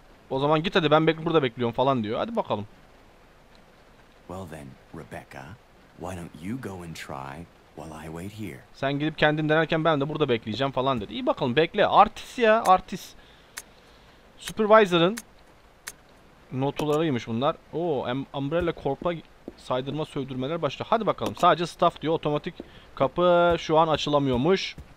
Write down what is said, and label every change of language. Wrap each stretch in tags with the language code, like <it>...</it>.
<tr>O zaman git hadi ben burada bekliyorum falan diyor. Hadi bakalım.</tr> <en>Well then, Rebecca. Why don't you go and try while I wait here?</en> <tr>Sen gidip kendin denerken ben de burada bekleyeceğim falan dedi. İyi bakalım bekle. Artist ya, artist. Supervisor'ın notularıymış bunlar. Oo, Umbrella Corp'a saydırma sövdürmeler başla. Hadi bakalım. Sadece staff diyor. Otomatik kapı şu an açılamıyormuş.</tr>